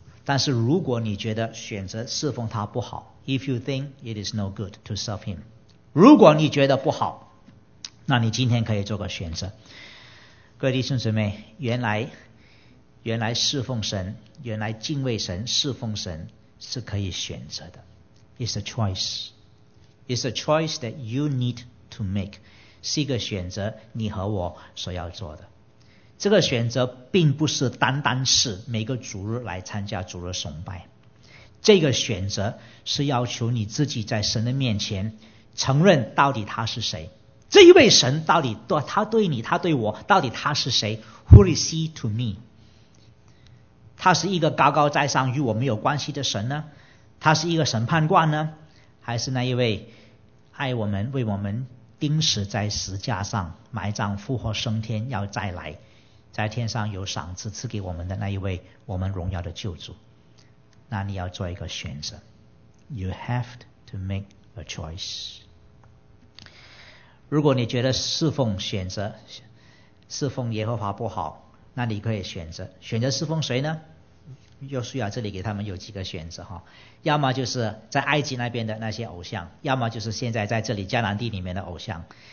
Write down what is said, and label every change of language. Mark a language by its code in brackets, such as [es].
[zh] 但是如果你觉得选择侍奉他不好， [en] If you think it is no good to serve him， [zh] 如果你觉得不好，那你今天可以做个选择。各位弟兄姊妹，原来侍奉神，原来敬畏神，侍奉神是可以选择的。 [en] It's a choice. It's a choice that you need to make， [zh] 是一个选择，你和我所要做的。这个选择并不是单单是每个主日来参加主日崇拜，这个选择是要求你自己在神的面前承认到底他是谁，这一位神到底他对你，他对我到底他是谁， [en] Who is he to me？ [zh] 他是一个高高在上与我没有关系的神呢，他是一个审判官呢，还是那一位爱我们，为我们钉死在十架上，埋葬，复活升天，要再来，在天上有赏赐赐给我们的那一位我们荣耀的救主？那你要做一个选择。 [en] You have to make a choice。 [zh] 如果你觉得侍奉选择侍奉耶和华不好，那你可以选择侍奉谁呢？约书亚这里给他们有几个选择，要么就是在埃及那边的那些偶像，要么就是现在在这里迦南地里面的偶像。